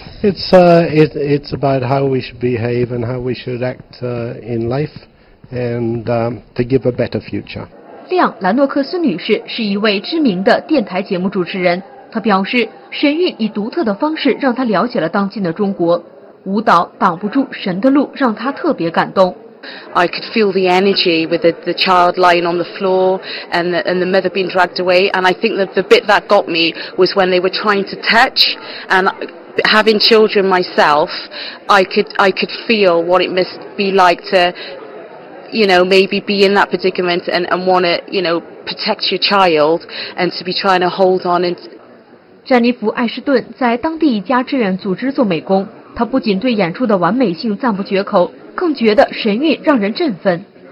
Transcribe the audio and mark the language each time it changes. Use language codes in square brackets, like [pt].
[en] It's about how we should behave and how we should act in life and to give a better future. [zh] 亮·兰诺克斯女士是一位知名的电台节目主持人，她表示神韵以独特的方式让她了解了当今的中国，舞蹈挡不住神的路让她特别感动。 [en] I could feel the energy with the child lying on the floor and the mother being dragged away. And I think that the bit that got me was when they were trying to touch. And having children myself, I could feel what it must be like to, you know, maybe be in that predicament and want to, you know, protect your child and to be trying to hold on. [zh] 詹妮弗·艾士顿在当地一家志愿组织做美工，她不仅对演出的完美性赞不绝口，更觉得神韵让人振奋。